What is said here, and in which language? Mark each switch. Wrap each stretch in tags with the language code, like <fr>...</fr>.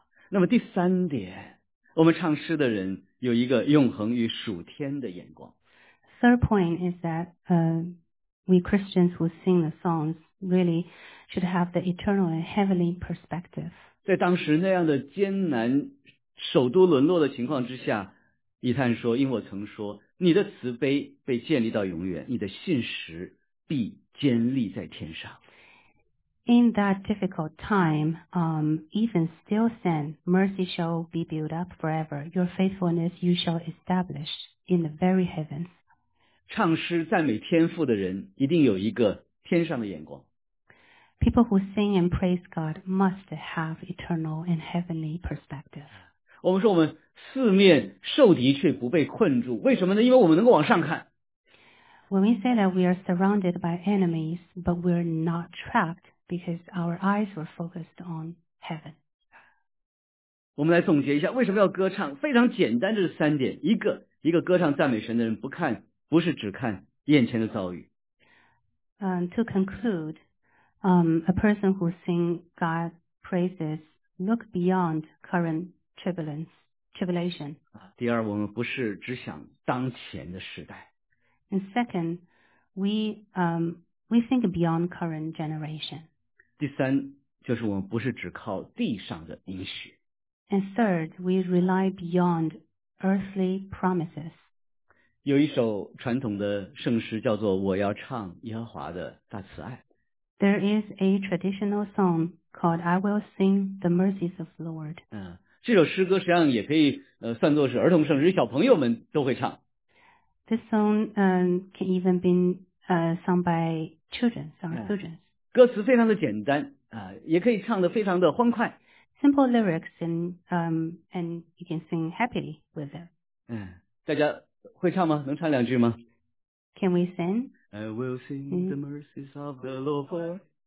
<zh>那么第三点，我们唱诗的人有一个永恒与属天的眼光。</zh> <en>Third point is that we Christians who sing the songs really should have the eternal and heavenly perspective.</en> <zh>在当时那样的艰难首都沦落的情况之下，以探说，因我曾说你的慈悲被建立到永远，你的信实必坚立在天上。</zh> <en>In that difficult time, even still then, mercy shall be built up forever. Your faithfulness you shall establish in the very heavens.</en> <zh>唱诗赞美天父的人一定有一个天上的眼光。</zh> <en>People who sing and praise God must have eternal and heavenly perspective.</en> <zh>我们说我们四面受敌却不被困住，为什么呢？因为我们能够往上看。</zh> <en>When we say that we are surrounded by enemies, but we're not trapped, because our eyes were focused on heaven.</en> <zh>我们来总结一下，为什么要歌唱？非常简单，这是三点。一个歌唱赞美神的人，不是只看眼前的遭遇。</zh> <en>To conclude, a person who sings God praises look beyond current tribulation.</en> <zh>第二，我们不是只想当前的时代。</zh> <en>And second, we think beyond current generation.</en> <zh>第三，就是我们不是只靠地上的应许。</zh> <en>And third, we rely beyond earthly promises.</en> <zh>有一首传统的圣诗叫做我要唱耶和华的大慈爱。</zh> <en>There is a traditional song called I will sing the mercies of the Lord.</en> <zh>这首诗歌实际上也可以算作是儿童圣诗，小朋友们都会唱。</zh> <en>This song can even be sung by children, sung by children.</en> <zh>歌词非常的简单也可以唱得非常的欢快。</zh> <en>Simple lyrics and you can sing happily with them.</en> <zh>大家会唱吗？能唱两句吗？</zh> <en>Can we sing? I will sing the mercies of the Lord.</en>